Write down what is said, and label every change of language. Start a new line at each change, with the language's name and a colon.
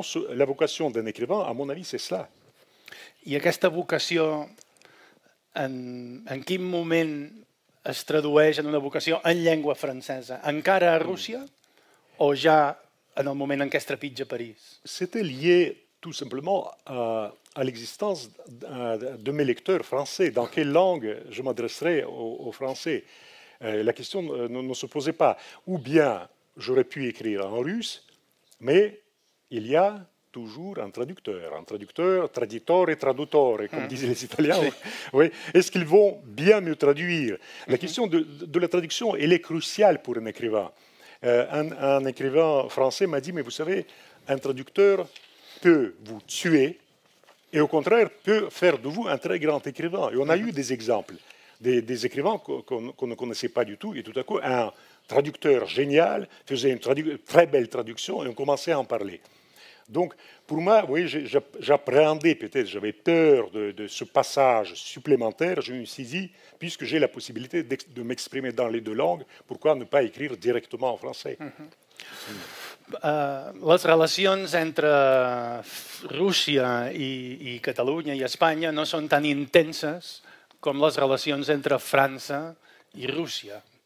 French: La vocation d'un écrivain, à mon avis, c'est cela. Et cette vocation, en quel moment
Catalan: es tradueix en una vocació en llengua francesa, encara a Rússia o ja en el moment en què es trepitja París?
French: C'était lié tout simplement à l'existence de mes lecteurs français. Dans quelle langue je m'adresserais aux Français? La question ne se posait pas. Ou bien j'aurais pu écrire en russe, mais il y a toujours un traducteur,
Italian: traditore, traduttore,
French: comme disent les Italiens. Oui. Est-ce qu'ils vont bien mieux traduire? La question de la traduction, elle est cruciale pour un écrivain. Un écrivain français m'a dit, mais vous savez, un traducteur peut vous tuer et au contraire peut faire de vous un très grand écrivain. Et on a eu des exemples, des écrivains qu'on ne connaissait pas du tout, et tout à coup, un traducteur génial faisait une très belle traduction et on commençait à en parler. Donc, pour moi, oui, j'appréhendais peut-être, j'avais peur de ce passage supplémentaire. Je me suis dit, puisque j'ai la possibilité de m'exprimer dans les deux langues, pourquoi ne pas écrire directement en français?
Catalan: les relacions entre Rússia i Catalunya i Espanya no són tan intenses com les relacions entre França i Rússia.